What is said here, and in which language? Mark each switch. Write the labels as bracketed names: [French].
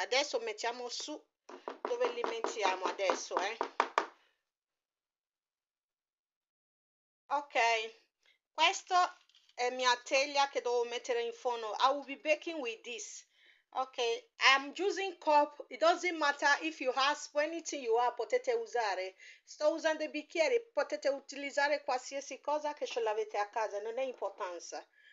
[Italian] Adesso mettiamo su dove li mettiamo adesso, eh? Ok, questa è mia teglia che devo mettere in forno. [English] I will be baking with this. Ok, I'm using cup. It doesn't matter if you have anything you have, [Italian] potete usare. Sto usando i bicchieri, potete utilizzare qualsiasi cosa che ce l'avete a casa, non è importanza.